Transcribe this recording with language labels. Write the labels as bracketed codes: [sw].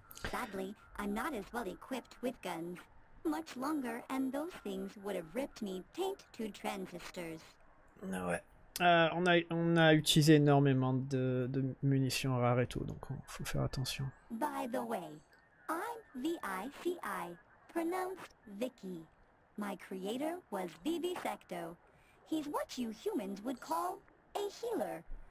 [en] Sadly, I'm not as well equipped with guns. Much longer, and those things would have ripped me taint to transistors. [fr] Ouais. On a utilisé énormément de munitions rares et tout, donc faut faire attention. [en] By the way, I'm V-I-C-I, pronounced Vicky. My creator was Vivisecto. He's what you humans would call a healer.